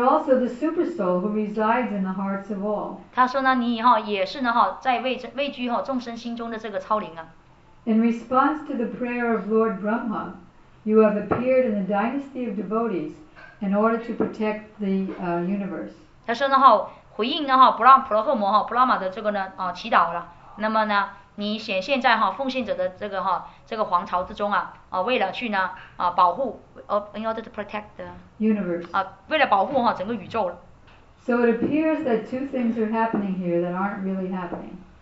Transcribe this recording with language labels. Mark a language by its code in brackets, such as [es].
[en] also the super soul who resides in the hearts of all. [zh] 他说呢，你也是呢，在位居众生心中的这个超灵啊。In [en] response to the prayer of Lord Brahma, you have appeared in the dynasty of devotees in order to protect the universe. [zh] 他说呢，回应呢，布拉马的这个呢，祈祷了，那么呢。你显现在奉献者的这个皇朝之中，为了去保护， [en] in order to protect the universe. [zh] 为了保护整个宇宙。So [en] it appears that two things are happening here that aren't really happening.